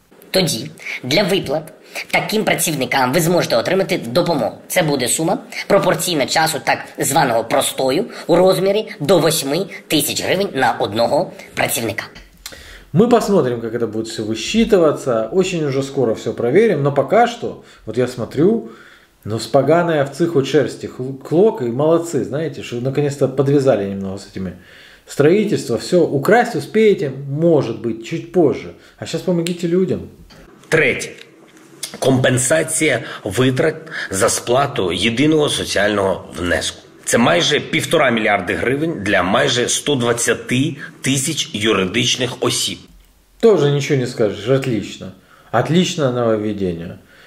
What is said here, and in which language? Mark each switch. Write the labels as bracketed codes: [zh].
[uk] Тоді для виплат таким працівникам ви зможете отримати допомогу. Це буде сума пропорційна часу так званого простою у розмірі до 8 тисяч гривень на одного працівника. Ми [ru] посмотрим, [uk] як це буде все висчитуватися. [ru] Очень уже скоро все проверим. Но пока что, вот я смотрю, ну с поганой овцы хоть шерсти клок, и молодцы, знаете, что наконец-то подвязали немного с этими строительства. Все, украсть успеете, может быть, чуть позже. А сейчас помогите людям. [uk] Третє. Компенсація витрат за сплату єдиного соціального внеску. Це майже 1,5 мільярди гривень для майже 120 тисяч юридичних осіб. [ru] Тоже [uk] нічого не скажеш, [ru] отлично. Отлично [uk] нововведення.